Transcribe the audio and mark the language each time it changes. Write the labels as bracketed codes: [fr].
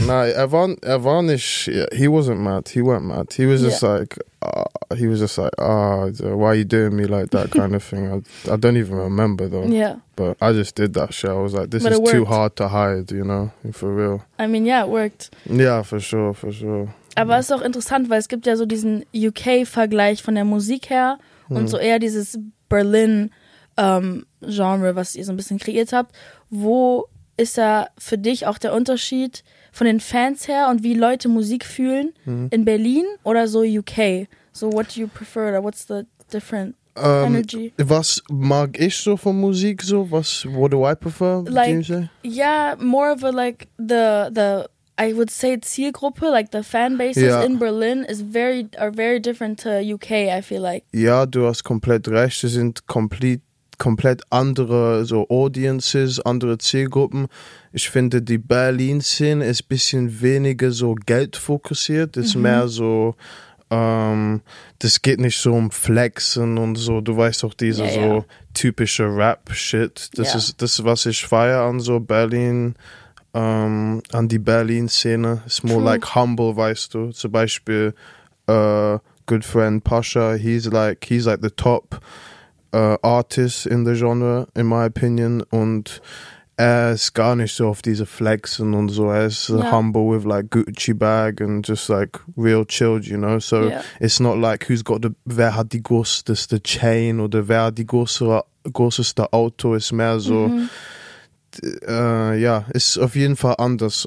[de] Nein, er war nicht, [en] yeah, he wasn't mad, he weren't mad. He was just like... He was just like, why are you doing me like that kind of thing? I don't even remember though. Yeah. But I just did that shit. I was like, this is too hard to hide, you know, for real. I mean, yeah, it worked. Yeah, for sure, for sure. [de] Aber es ist auch interessant, weil es gibt ja so diesen UK-Vergleich von der Musik her und so eher dieses Berlin-Genre, was ihr so ein bisschen kreiert habt. Wo ist da für dich auch der Unterschied von den Fans her und wie Leute Musik fühlen in Berlin oder so UK? [en] So what do you prefer or what's the different energy? [de] Was mag ich so von Musik so? Was, [en] what do I prefer? Like, do you say? Yeah, more of a like the I would say Zielgruppe, like the fan bases in Berlin is very different to UK, I feel like. [de] Ja, du hast komplett recht. Es sind komplett andere so Audiences, andere Zielgruppen. Ich finde, die Berlin-Szene ist ein bisschen weniger so geldfokussiert. Es ist mehr so, das geht nicht so um Flexen und so. Du weißt auch, diese so typische Rap-Shit. Das ist das, was ich feiere an so Berlin, an die Berlin-Szene. [en] It's more like humble, [de] weißt du. Zum Beispiel, [en] good friend Pasha, he's like the top artist in the genre, in my opinion. [de] Und er ist gar nicht so auf diese Flexen und so. Er ist [en] humble with like Gucci bag and just like real chilled, you know. So it's not like who's got the, [de] wer hat die größte Chain oder wer hat die größte Auto. Ist mehr so, ja, ist auf jeden Fall anders.